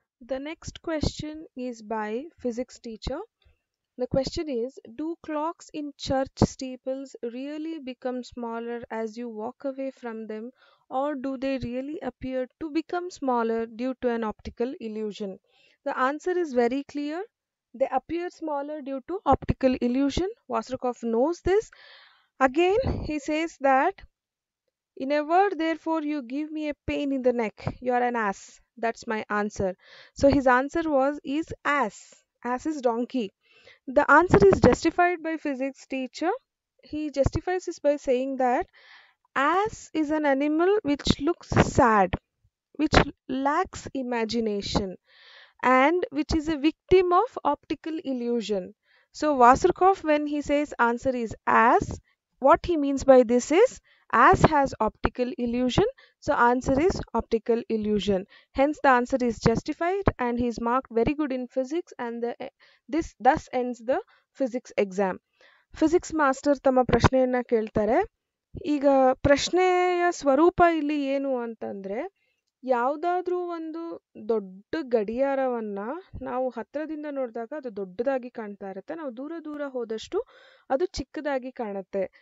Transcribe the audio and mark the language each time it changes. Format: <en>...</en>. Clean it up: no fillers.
<en>The next question is by physics teacher. The question is, do clocks in church steeples really become smaller as you walk away from them, or do they really appear to become smaller due to an optical illusion? The answer is very clear, they appear smaller due to optical illusion. Wasserkopf knows this. Again, he says that, in a word, therefore, you give me a pain in the neck. You are an ass. That's my answer. So his answer was, is ass. Ass is donkey. The answer is justified by physics teacher. He justifies this by saying that, ass is an animal which looks sad, which lacks imagination, and which is a victim of optical illusion. So Wasserkopf, when he says answer is ass, what he means by this is, ass has optical illusion, so answer is optical illusion. Hence the answer is justified and he is marked very good in physics, and this thus ends the physics exam.</en> <kn>Physics master tama prashneyanna keltare. Iga prashneya swarupa illi yenu antandre, ಯಾವುದಾದ್ರೂ ಒಂದು ದೊಡ್ಡ ಗಡಿಯಾರವನ್ನು ನಾವು ಹತ್ತಿರದಿಂದ ನೋಡಿದಾಗ ಅದು ದೊಡ್ಡದಾಗಿ ಕಾಣ್ತಾ ಇರುತ್ತೆ, ನಾವು ದೂರ ದೂರ ಹೋದಷ್ಟು ಅದು ಚಿಕ್ಕದಾಗಿ ಕಾಣುತ್ತೆ.</kn>